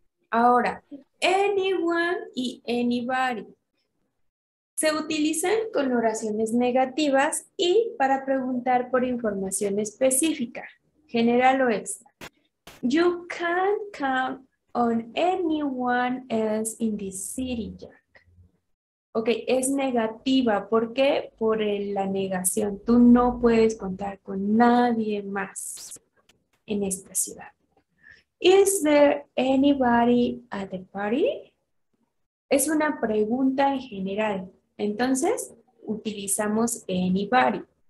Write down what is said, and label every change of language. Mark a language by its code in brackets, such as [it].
[es] Ahora, anyone y anybody. Se utilizan con oraciones negativas y para preguntar por información específica, general o extra. [en] You can't count on anyone else in this city, Jack. [es] Ok, es negativa. ¿Por qué? Por la negación. Tú no puedes contar con nadie más en esta ciudad. [en] Is there anybody at the party? [es] Es una pregunta en general. Entonces, utilizamos anybody.